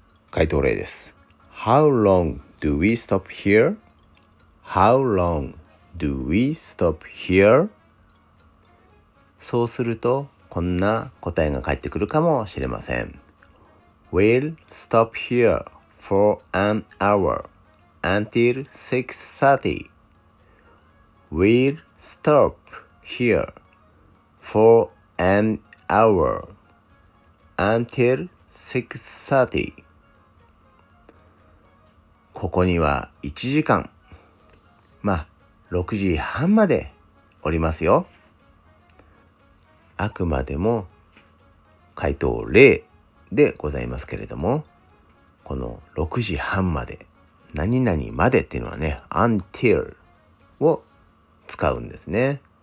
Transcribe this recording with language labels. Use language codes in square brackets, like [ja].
[ja] 回答例です。 [en] How long do we stop here? How long do we stop here? [ja] そうするとこんな答えが返ってくるかもしれません。 [en] We'll stop here for an hour until 6:30. We'll stop here for an hour until 6:30. [ja] ここには1時間、まあ6時半までおりますよ。あくまでも回答例でございますけれども、この6時半まで、何々までっていうのはね、 until を使うんですね。